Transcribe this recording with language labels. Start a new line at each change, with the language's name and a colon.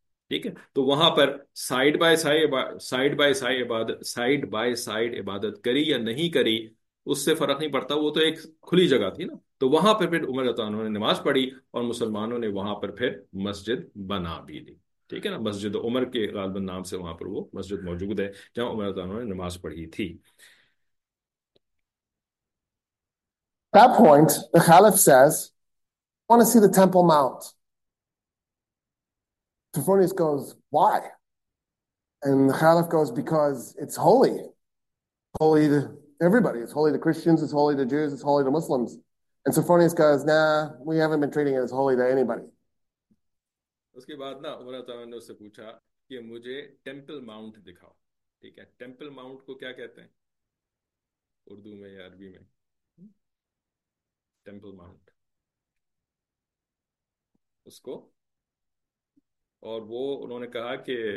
Hindi: ठीक है, तो वहां पर साइड बाय साइड इबादत करी या नहीं करी उससे फर्क नहीं पड़ता, वो तो एक खुली जगह थी ना, तो वहां पर फिर उमर रतानों ने नमाज पढ़ी और मुसलमानों ने वहां पर फिर मस्जिद बना भी ली, ठीक है ना, मस्जिद उमर के गालबन नाम से वहां पर वो मस्जिद मौजूद है जहां उमर रतानों ने नमाज पढ़ी थी।
English: At that point, the caliph says, I want to see the Temple Mount. Sophronius goes, why? And the caliph goes, because it's holy. Holy to everybody. It's holy to Christians, it's holy to Jews, it's holy to Muslims. And Sophronius goes, nah, we haven't been treating it as holy to anybody.
Hindi: उसके बाद ना उमर अतान ने उससे पूछा कि मुझे temple mount दिखाओ, ठीक है, टेंपल माउंट को क्या कहते हैं उर्दू में या अरबी में, टेंपल माउंट उसको, और वो उन्होंने कहा कि